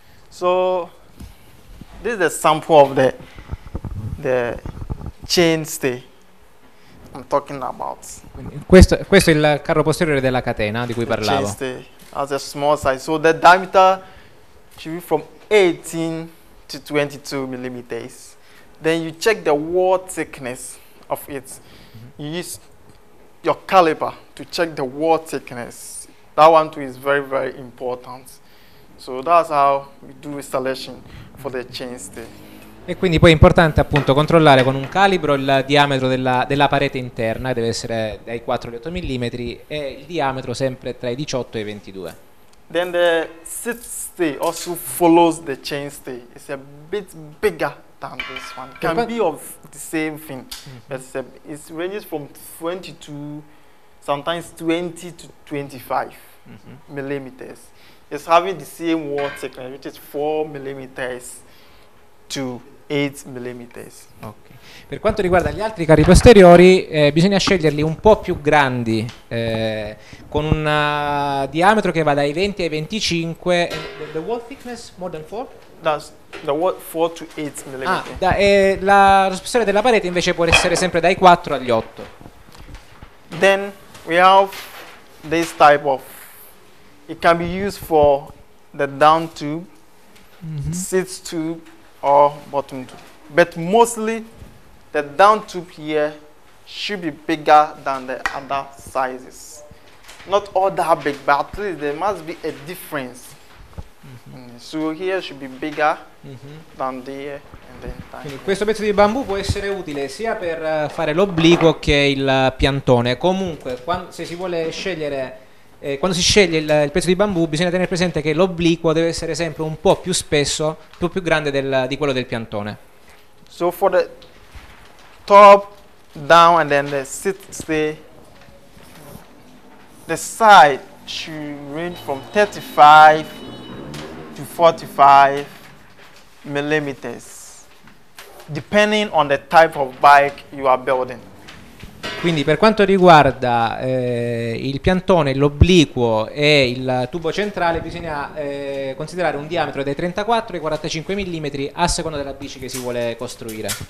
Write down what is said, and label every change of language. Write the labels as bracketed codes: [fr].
[en] So this is a sample of the chain stay I'm talking about. [it] Questo è il carro posteriore della catena di cui parlavo. [en] The chain stay has a small size, so the diameter should be from 18 to 22 millimeters. Then you check the wall thickness of it. You use your caliper to check the wall thickness. That one too is very, very important. So that's how we do installation for the chain stay. [it] E quindi poi è importante appunto controllare con un calibro il diametro della parete interna, deve essere dai 4 agli 8 mm, e il diametro sempre tra i 18 e i 22. [en] Then the sit stay also follows the chain stay. It's a bit bigger than this one. Can be of the same thing. Mm-hmm. It ranges from 22, sometimes 20 to 25 mm-hmm. millimeters. It's having the same wall thickness, which is 4 millimeters to 8 millimeters. Okay. [it] Per quanto riguarda gli altri carri posteriori, bisogna sceglierli un po' più grandi, con un diametro che va dai 20 ai 25. [en] The wall thickness more than 4? That's the wall 4 to 8 millimeters. [it] Ah, la spessore della parete invece può essere sempre dai 4 agli 8. [en] Then we have this type of. It can be used for the down tube, sit tube, or bottom tube. But mostly, the down tube here should be bigger than the other sizes. Not all that big, but at least there must be a difference. Mm-hmm. So here should be bigger than there. And [it] Quindi questo pezzo di bambù può essere utile sia per fare l'obliquo che il piantone. Comunque, se si vuole scegliere, quando si sceglie il pezzo di bambù, bisogna tenere presente che l'obliquo deve essere sempre un po' più spesso, un po' più grande di quello del piantone. [en] So for the top, down, and then the sit stay, the side should range from 35 to 45 millimeters, depending on the type of bike you are building. [it] Quindi per quanto riguarda il piantone, l'obliquo e il tubo centrale, bisogna considerare un diametro dai 34 ai 45 mm a seconda della bici che si vuole costruire.